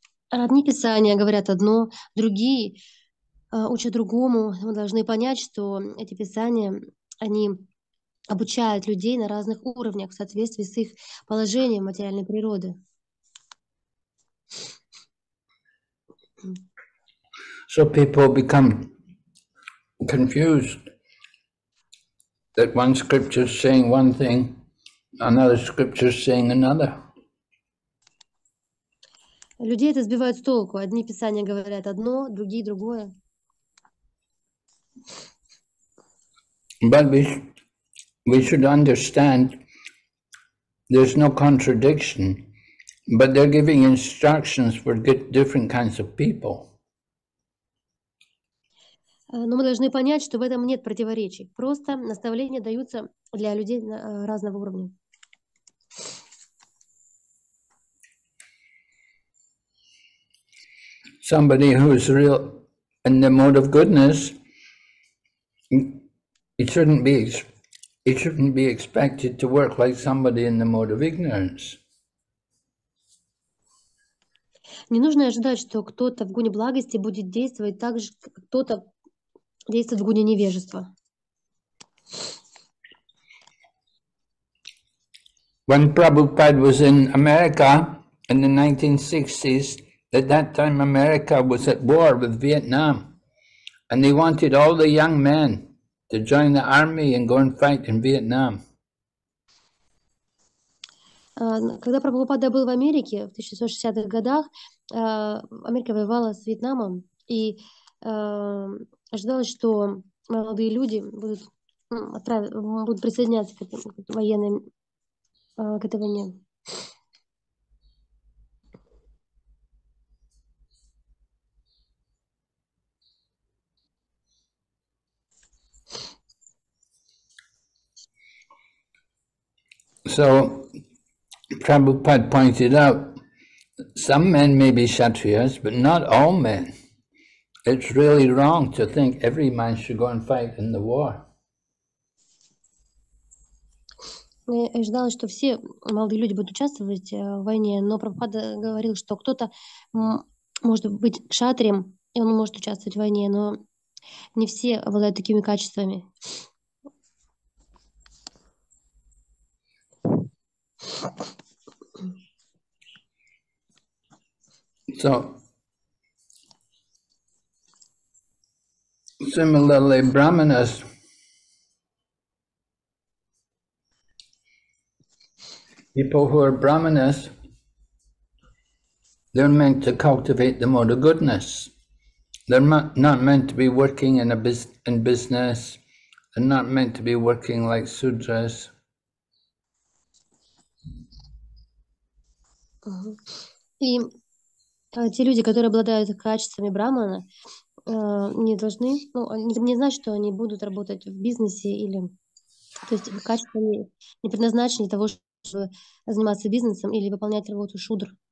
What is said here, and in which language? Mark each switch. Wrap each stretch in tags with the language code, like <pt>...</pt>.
<ru>Одни писания говорят одно, другие учат другому. Мы должны понять, что эти писания, они обучают людей на разных уровнях в соответствии с их положением материальной природы.</ru> <en>So people become confused that one scripture is saying one thing, another scripture is saying another.</en> <ru>Людей это сбивает с толку. Одни писания говорят одно, другие другое.</ru> <en>But we should understand there's no contradiction, but they're giving instructions for different kinds of people.</en> <ru>Но мы должны понять, что в этом нет противоречий. Просто наставления даются для людей разного уровня.</ru> <en>Somebody who is real in the mode of goodness, it shouldn't be expected to work like somebody in the mode of ignorance.</en> <ru>Не нужно ожидать, что кто-то в гуне благости будет действовать так же, как кто-то действует в гуне невежества.</ru> <en>When Prabhupada was in America in the 1960s, at that time America was at war with Vietnam. And they wanted all the young men to join the army and go and fight in Vietnam.</en> <ru>Когда Прабхупада был в Америке в 1960-х годах, Америка воевала с Вьетнамом, и ожидалось, что молодые люди будут, будут присоединяться к этому военным, к этой войне.</ru> <en>So, Prabhupada pointed out, some men may be kshatriyas, but not all men. It's really wrong to think every man should go and fight in the war.</en> <ru>Я ожидала, что все молодые люди будут участвовать в войне, но Прабхупада говорил, что кто-то может быть кшатрием, и он может участвовать в войне, но не все обладают такими качествами.</ru> <en>So, similarly, brahmanas people who are brahmanas, they're meant to cultivate the mode of goodness. They're not meant to be working in a business, and not meant to be working like sudras.</en> <ru>И те люди, которые обладают качествами брахмана, не должны, ну, не значит, что они будут работать в бизнесе или, то есть, качествами не предназначены для того, чтобы заниматься бизнесом или выполнять работу шудр.</ru>